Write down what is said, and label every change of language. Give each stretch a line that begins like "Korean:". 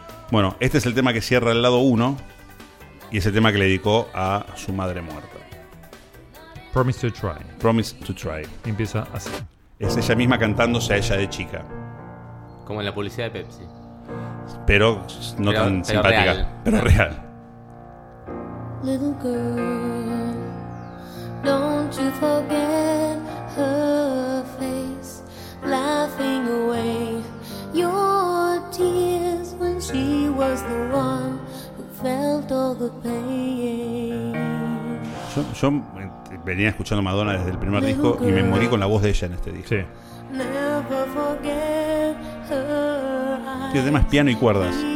Spanish: Bueno, este es el tema que cierra el lado 1 y es el tema que le dedicó a su madre muerta.
English: Promise to Try. Promise to Try.
Spanish: Y empieza así. Es ella misma cantándose a ella de chica. Como en la publicidad de Pepsi. Pero no tan simpática, pero real.
English: Little girl, don't you forget her face, laughing away your tears when she was the one who felt all the pain.
Spanish: Yo venía escuchando Madonna desde el primer disco y me morí con la voz de ella en este disco. Sí.
English: Never forget her eyes.
Spanish: Tiene temas piano y cuerdas.